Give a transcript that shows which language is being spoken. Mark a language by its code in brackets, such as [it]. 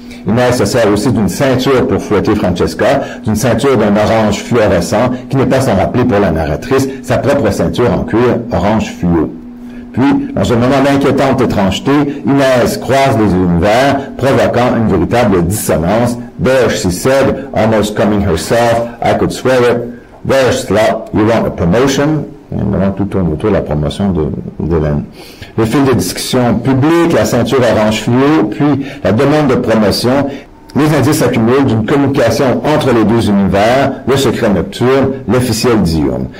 [fr] Inès se sert aussi d'une ceinture pour fouetter Francesca, d'une ceinture d'un orange fluorescent qui n'est pas sans rappeler pour la narratrice sa propre ceinture en cuir orange fluo. Puis, dans un moment d'inquiétante étrangeté, Inès croise les univers, provoquant une véritable dissonance. [en] There she said, almost coming herself, I could swear it. There's that, you want a promotion? [fr] Maintenant, tout tourne autour de la promotion d'Hélène. Le fil de discussion publique, la ceinture orange fluo, puis la demande de promotion, les indices accumulés d'une communication entre les deux univers, le secret nocturne, l'officiel diurne.